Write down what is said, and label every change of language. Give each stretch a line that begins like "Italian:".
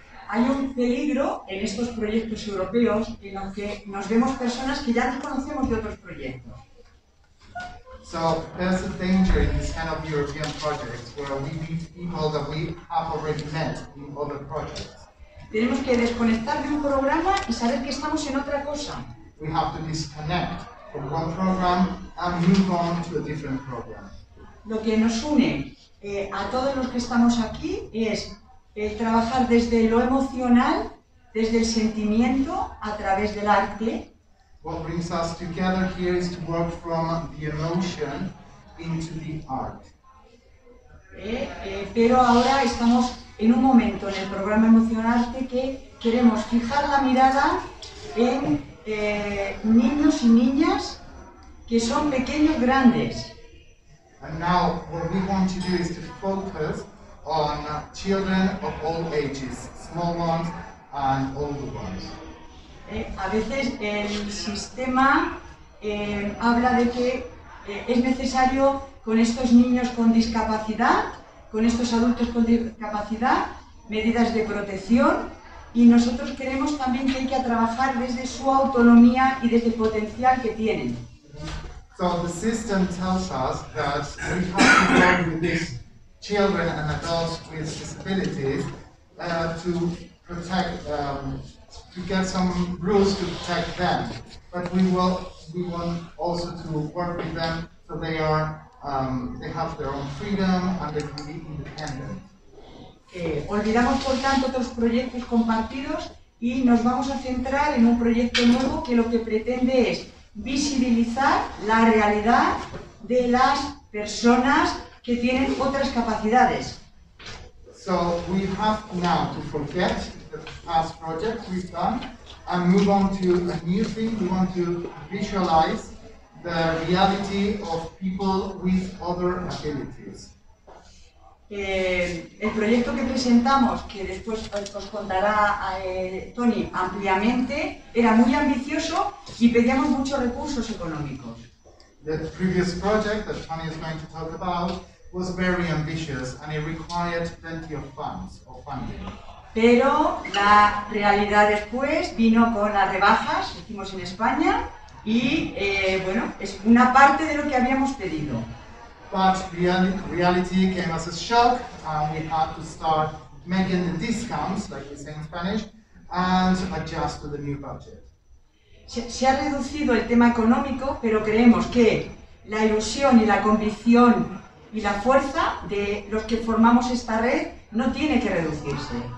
Spanish: Hay un peligro en estos proyectos europeos en los que nos vemos personas que ya nos conocemos de otros proyectos.
English: So there's a danger in this kind of European projects where we meet people that we have already met in other projects.
Spanish: Tenemos que desconectar de un programa y saber que estamos en otra cosa.
English: We have to disconnect from one program and move on to a different program.
Spanish: Lo que nos une a todos los que estamos aquí es el trabajar desde lo emocional, desde el sentimiento, a través del arte.
English: What brings us together here is to work from the emotion into the art.
Spanish: Pero ahora estamos en un momento en el programa Emocionarte que queremos fijar la mirada en niños y niñas que son pequeños, grandes.
English: And now what we want to do is to focus on children of all ages, small ones and older ones.
Spanish: A veces el sistema habla de que es necesario con estos niños con discapacidad, con estos adultos con discapacidad, medidas de protección, y nosotros queremos también que hay que trabajar desde su autonomía y desde el potencial que tienen.
English: So the system tells us that we have to work with this children and adults with disabilities to protect, to get some rules to protect them. But we want also to work with them so they are, they have their own freedom and they can be independent.
Spanish: Olvidamos por tanto otros proyectos compartidos y nos vamos a centrar en un proyecto nuevo que lo que pretende es visibilizar la realidad de las personas que tienen otras capacidades.
English: So we have now to forget the past project we've done and move on to a new thing. We want to visualize the reality of people with other abilities.
Spanish: El proyecto que presentamos, que después os contará a, Tony ampliamente, era muy ambicioso y pedíamos muchos recursos económicos.
English: The previous project that Tony is going to talk about was very ambitious and it required plenty of funds or funding.
Spanish: Pero la realidad después vino con las rebajas, hicimos en España, y bueno, es una parte de lo que habíamos pedido.
English: But reality came as a shock, and we had to start making the discounts, like we say in Spanish, and adjust to the new budget.
Spanish: Se ha reducido el tema económico, pero creemos que la ilusión y la convicción y la fuerza de los que formamos esta red no tiene que reducirse.